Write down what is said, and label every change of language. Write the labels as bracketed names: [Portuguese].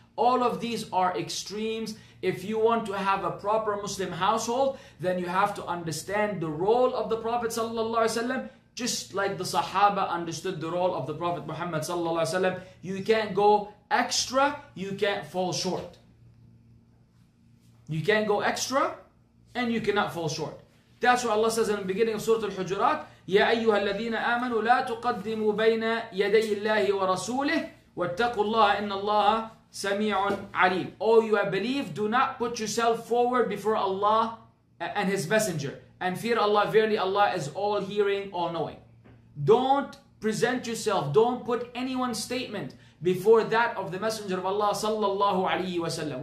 [English] All of these are extremes. If you want to have a proper Muslim household, then you have to understand the role of the Prophet sallallahu alaihi wasallam, just like the Sahaba understood the role of the Prophet Muhammad sallallahu alaihi wasallam. You can't go extra, you can't fall short. You can't go extra and you cannot fall short. That's what Allah says in the beginning of Surah Al-Hujurat, [Arabic] يَا أَيُّهَا الَّذِينَ آمَنُوا لَا تُقَدِّمُوا بَيْنَ يَدَيِّ اللَّهِ وَرَسُولِهِ وَاتَّقُوا اللَّهَ إِنَّ اللَّهَ سَمِيعٌ عَلِيمٌ. [English] All you have believed, do not put yourself forward before Allah and His Messenger. And fear Allah, verily Allah is all hearing, all knowing. Don't present yourself, don't put anyone's statement before that of the Messenger of Allah sallallahu alayhi wa sallam.